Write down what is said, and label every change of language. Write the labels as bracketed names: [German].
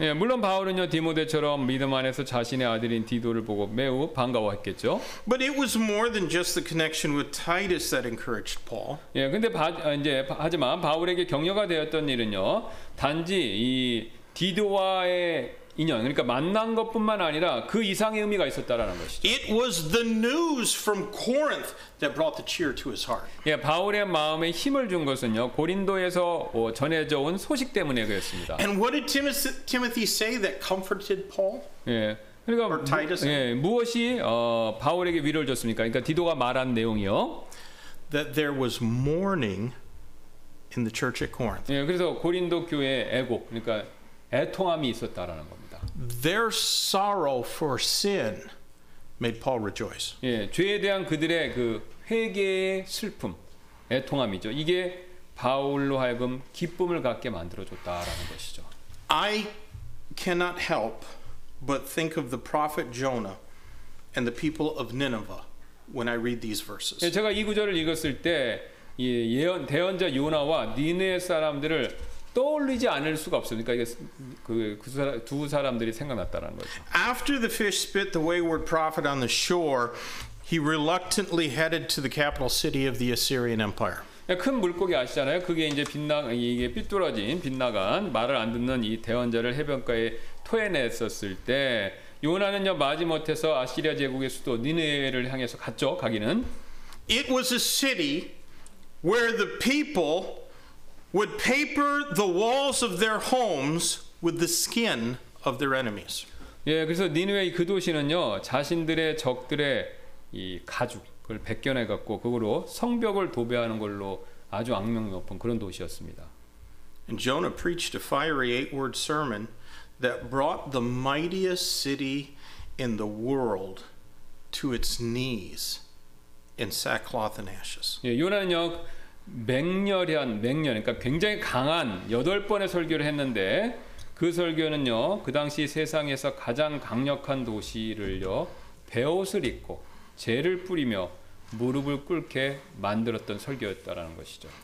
[Korean] 예, 물론 바울은요 디모데처럼 믿음 안에서 자신의 아들인 디도를 보고 매우 반가워했겠죠. [English] But it was more than just the connection with Titus that encouraged Paul. [Korean] 예, 근데 하지만 바울에게 격려가 되었던 일은요 단지 이 디도와의 인연, 그러니까 만난 것뿐만 아니라 그 이상의 의미가 있었다라는 것이죠. [English] It was the news from Corinth that brought the cheer to his heart. [Korean] 예, 바울의 마음에 힘을 준 것은요 고린도에서 전해져 온 소식 때문에 그랬습니다. [English] And what did Timothy say that comforted Paul? [Korean] 예, 그러니까 [English] Or Titus? [Korean] 예, 무엇이 바울에게 위로를 줬습니까? 그러니까 디도가 말한 내용이요. [English] That there was mourning in the church at Corinth. [Korean] 예, 그래서 고린도 교회 애곡, 그러니까 애통함이 있었다라는 겁니다. [English] Their sorrow for sin made Paul rejoice. [Korean] 예, 죄에 대한 그들의 그 회개의 슬픔, 애통함이죠. 이게 바울로 하여금 기쁨을 갖게 만들어 줬다라는 것이죠. [English] I cannot help but think of the prophet Jonah and the people of Nineveh when I read these verses. [Korean] 예, 제가 이 구절을 읽었을 때 이 대언자 요나와 니느웨 사람들을 떠올리지 않을 수가 없으니까 이게 두 사람들이 생각났다라는 거죠. [English] After the fish spit the wayward prophet on the shore, he reluctantly headed to the capital city of the Assyrian Empire. [Korean] 큰 물고기 아시잖아요. 그게 이제 이게 삐뚤어진 빗나간 말을 안 듣는 이 대원자를 해변가에 토해냈었을 때 요나는요 마지못해서 아시리아 제국의 수도 니느웨를 향해서 갔죠. 가기는. [English] It was a city where the people would paper the walls of their homes with the skin of their enemies. [Korean] 예, 그래서 니느웨의 그 도시는요, 자신들의 적들의 이 가죽, 그걸 벗겨내 갖고 그걸로 성벽을 도배하는 걸로 아주 악명 높은 그런 도시였습니다. [English] And Jonah preached a fiery eight-word sermon that brought the mightiest city in the world to its knees in sackcloth and ashes. [Korean] 예, 요나는요 맹렬한 그러니까 굉장히 강한 여덟 번의 설교를 했는데 그 설교는요 그 당시 세상에서 가장 강력한 도시를요 배옷을 입고 재를 뿌리며 무릎을 꿇게 만들었던 설교였다라는 것이죠.